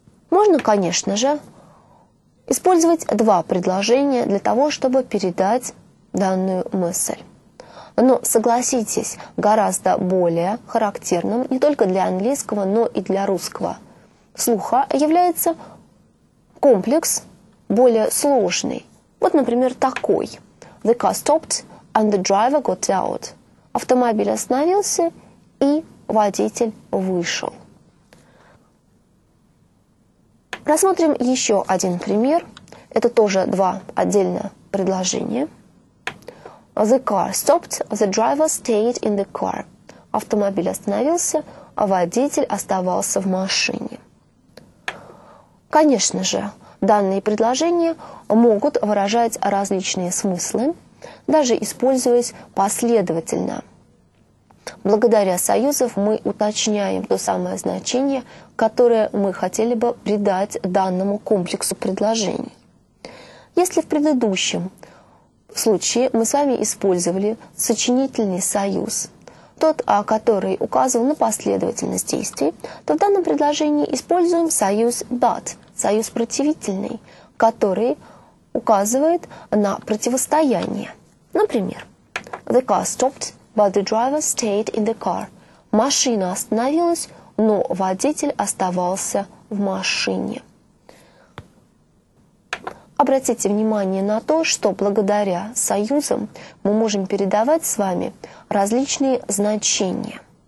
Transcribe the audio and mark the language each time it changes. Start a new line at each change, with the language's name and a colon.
Russian: Можно, конечно же, использовать два предложения для того, чтобы передать данную мысль. Но, согласитесь, гораздо более характерным не только для английского, но и для русского слуха является комплекс более сложный. Вот, например, такой.
English: The car stopped and the driver got out.
Russian: Автомобиль остановился, и водитель вышел. Рассмотрим еще один пример. Это тоже два отдельных предложения.
English: The car stopped, the driver stayed in the car.
Russian: Автомобиль остановился, а водитель оставался в машине. Конечно же, данные предложения могут выражать различные смыслы, даже используясь последовательно. Благодаря союзам мы уточняем то самое значение, которое мы хотели бы придать данному комплексу предложений. Если в предыдущем в случае мы с вами использовали сочинительный союз, тот, который указывал на последовательность действий, то в данном предложении используем союз but, союз противительный, который указывает на противостояние. Например,
English: the car stopped, but the driver stayed in the car.
Russian: Машина остановилась, но водитель оставался в машине. Обратите внимание на то, что благодаря союзам мы можем передавать с вами различные значения.